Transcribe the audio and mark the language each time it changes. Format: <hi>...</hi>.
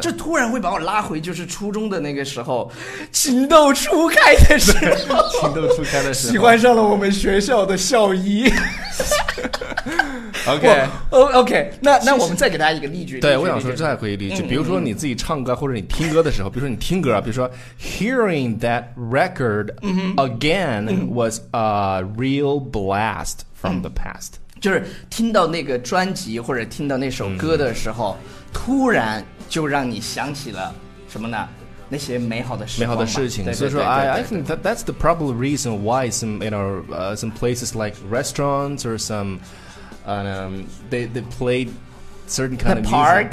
<zh>这突然会把我拉回，就是初中的那个时候，情窦初开的时候，情窦初开的时候，喜欢上了我们学校的校医。</zh> <en>OK</en> <zh>那我们再给大家一个例句。对，我想说再回忆例句、嗯、比如说你自己唱歌或者你听歌的时候、嗯、比如说你听歌，比如说</zh> <en>Hearing that record again was a real blast from the past、</en> <zh>嗯、就是听到那个专辑或者听到那首歌的时候、嗯、突然就让你想起了什么呢？那些美好的时光，美好的事情。对对对对对对对，</zh> <en>所以说 I think that's the probable reason why some places like restaurants or someThey played certain kind of music.</en>